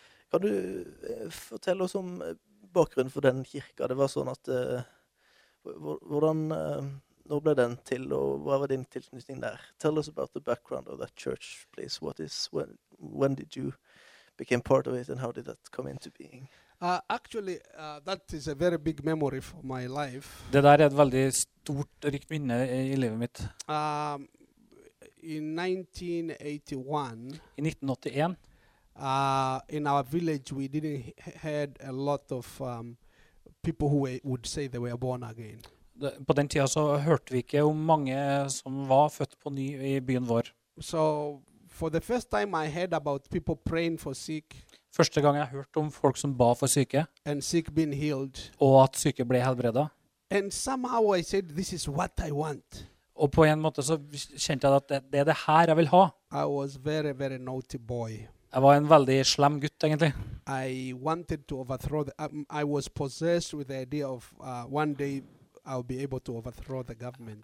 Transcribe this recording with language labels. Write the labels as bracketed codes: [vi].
[no] Kan du fortelle oss om bakgrunnen for den kirka, det var sånn at hvordan ble den til, og hva var din tilknytning der? [en] Tell us about the background of that church, please. What is, when did you become part of it, and how did that come into being? Actually, that is a very big memory for my life. [no] Det der et veldig stort, rikt minne I livet mitt. [en] I 1981, in our village we didn't had a lot of people who would say they were born again. [no] På den tiden så hørte vi ikke om mange som var født på ny I byen vår. [en] So for the first time I heard about people praying for sick. [no] Første gang jeg hørte om folk som ba for syke. [en] And sick being healed. [no] Og at syke ble helbredet. [en] And somehow I said this is what I want. [no] Og på en måte så kjente jeg at det det her jeg vil ha. [en] I was very very naughty boy. [no] Jeg var en veldig slem gutt, egentlig. [en] I wanted to overthrow the, I was possessed with the idea of one day I'll be able to overthrow the government.